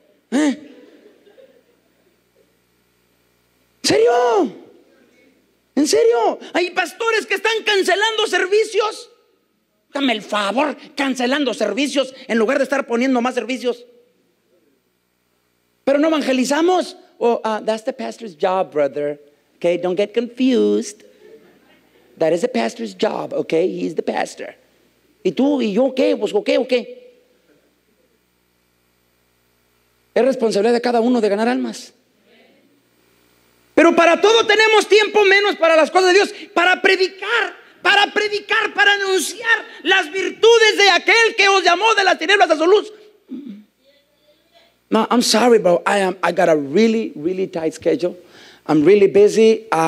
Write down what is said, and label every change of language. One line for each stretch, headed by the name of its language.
Spanish: ¿En serio? ¿En serio? Hay pastores que están cancelando servicios. Dame el favor, cancelando servicios en lugar de estar poniendo más servicios. Pero no evangelizamos.
English: That's the pastor's job, brother. Okay, don't get confused. That is the pastor's job, okay? He's the pastor.
Spanish: ¿Y tú y yo qué? Pues ¿qué? Es responsabilidad de cada uno de ganar almas. Pero para todo tenemos tiempo, menos para las cosas de Dios. Para predicar, para anunciar las virtudes de aquel que os llamó de las tinieblas a su luz.
English: No, I'm sorry, bro. I got a really, really tight schedule. I'm really busy.